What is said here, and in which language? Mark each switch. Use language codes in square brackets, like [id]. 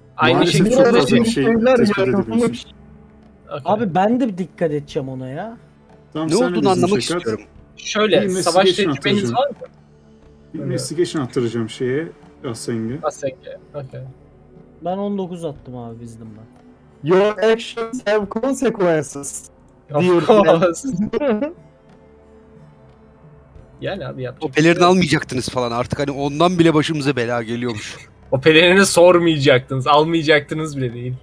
[tr] Aynı şekilde çok az bir şey tecrübe. [en] Okay. [tr] Abi ben de bir dikkat edeceğim ona ya. Tamam, ne olduğunu anlamak şey istiyorum. Şöyle, bir savaş tecrübeniz var mı? Bir investigation attıracağım şeye, Asenge. [en] Asenge, okay. [tr] Ben 19 attım abi bizdim ben. [en] Your actions have consequences. Of course. [tr] Yani abi yapacak. O pelerini şey almayacaktınız falan artık hani ondan bile başımıza bela geliyormuş. O pelerini sormayacaktınız, almayacaktınız bile değil.